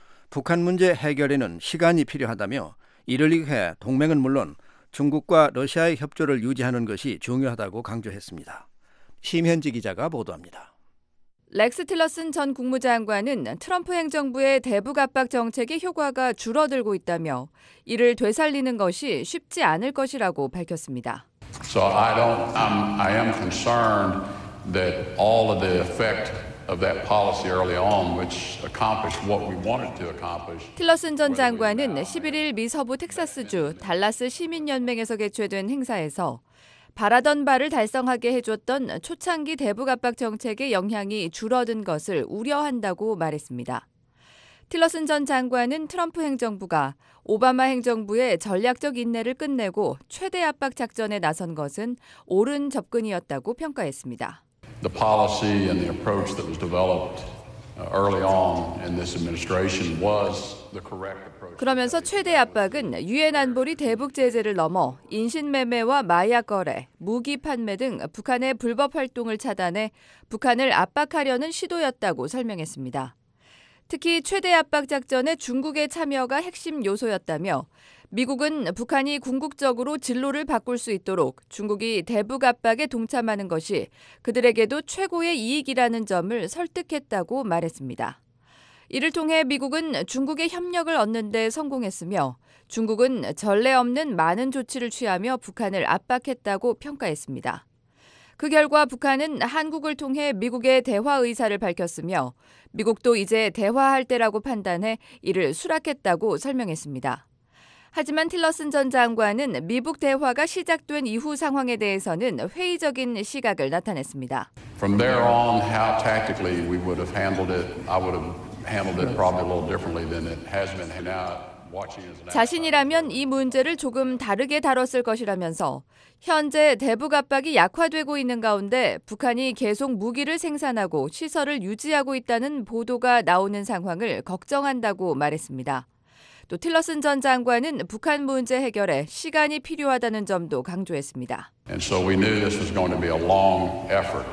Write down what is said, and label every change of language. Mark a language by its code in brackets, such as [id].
[ko] 북한 문제 해결에는 시간이 필요하다며 이를 위해 동맹은 물론 중국과 러시아의 협조를 유지하는 것이 중요하다고 강조했습니다. 심현지 기자가 보도합니다. 렉스 틸러슨 전 국무장관은 트럼프 행정부의 대북 압박 정책의 효과가 줄어들고 있다며 이를 되살리는 것이 쉽지 않을 것이라고 밝혔습니다. [en] So I am concerned that all of the effect of that policy early on, which accomplished what we wanted to accomplish. [ko] 틸러슨 전 장관은 11일 미 서부 텍사스주 달라스 시민연맹에서 개최된 행사에서 바라던 바를 달성하게 해줬던 초창기 대북 압박 정책의 영향이 줄어든 것을 우려한다고 말했습니다. 틸러슨 전 장관은 트럼프 행정부가 오바마 행정부의 전략적 인내를 끝내고 최대 압박 작전에 나선 것은 옳은 접근이었다고 평가했습니다. [en] The policy and the approach that was developed early on in this administration was the correct approach. [ko] 그러면서 최대 압박은 유엔 안보리 대북 제재를 넘어 인신매매와 마약 거래, 무기 판매 등 북한의 불법 활동을 차단해 북한을 압박하려는 시도였다고 설명했습니다. 특히 최대 압박 작전에 중국의 참여가 핵심 요소였다며 미국은 북한이 궁극적으로 진로를 바꿀 수 있도록 중국이 대북 압박에 동참하는 것이 그들에게도 최고의 이익이라는 점을 설득했다고 말했습니다. 이를 통해 미국은 중국의 협력을 얻는 데 성공했으며 중국은 전례 없는 많은 조치를 취하며 북한을 압박했다고 평가했습니다. 그 결과 북한은 한국을 통해 미국의 대화 의사를 밝혔으며 미국도 이제 대화할 때라고 판단해 이를 수락했다고 설명했습니다. 하지만 틸러슨 전 장관은 미북 대화가 시작된 이후 상황에 대해서는 회의적인 시각을 나타냈습니다. [en] From there on, how tactically we would have handled it, I would have handled it probably a little differently than it has been now. [ko] 자신이라면 이 문제를 조금 다르게 다뤘을 것이라면서 현재 대북 압박이 약화되고 있는 가운데 북한이 계속 무기를 생산하고 시설을 유지하고 있다는 보도가 나오는 상황을 걱정한다고 말했습니다. 또 틸러슨 전 장관은 북한 문제 해결에 시간이 필요하다는 점도 강조했습니다. [en] And so we knew this was going to be a long effort.